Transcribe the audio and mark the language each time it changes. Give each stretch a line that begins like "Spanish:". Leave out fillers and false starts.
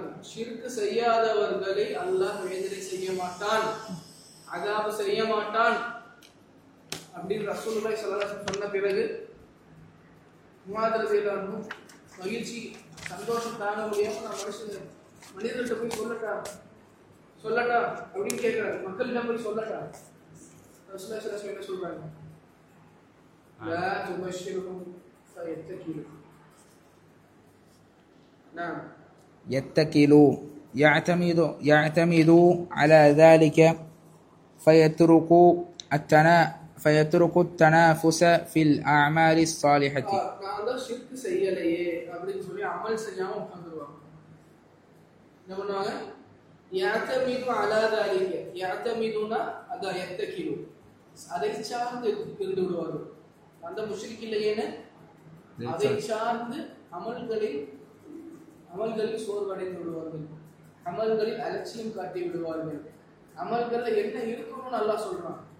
Tamil: ஷிர்க் செய்யாதவர்களை அல்லாஹ் எதிரே செய்ய மாட்டான், அதாவது செய்ய மாட்டான் அப்படின்னு ரசூலுல்லாஹி ஸல்லல்லாஹு அலைஹி வஸல்லம் சொன்ன பிறகு உமர் ரலியல்லாஹு அன்ஹு மகிழ்ச்சி சந்தோஷம் தாங்க முடியாம நான் மனுஷன் மனிதர்கிட்ட போய் சொல்லட்டா சொல்லட்டா அப்படின்னு கேட்கிறாரு, மக்கள்கிட்ட போய் சொல்லட்டா ரசூலுல்லாஹி ஸல்லல்லாஹு அலைஹி வஸல்லம் சொல்றாங்க, லா துபஷ்ஷிருஹும் ஃபயத்தகீலுஹும் நாம்
Arabic: யத்தகீலு யஅதமீது யஅதமீது அலா ذلك فيتركوا فيتركوا التنافس في الاعمال الصالحه
Tamil: நான் அந்த ஷிர்க் செய்யலையே அப்படினு சொல்லி அமல் செய்யாம உட்கார்ந்துருவாங்க. நம்ம என்ன யஅதமீது அலா ذلك யஅதமீதுனா அத யத்தகீலு அதை சார்ந்து இருந்துடுவாரு அந்த முஷ்ரிக் இல்லையேனே அதை சார்ந்து அமல்களில் சோர்வடைந்து விடுவார்கள், அமல்களில் அலட்சியம் காட்டி விடுவார்கள், அமல்கள் என்ன இருக்கணும்னு அல்லாஹ் சொல்றான்,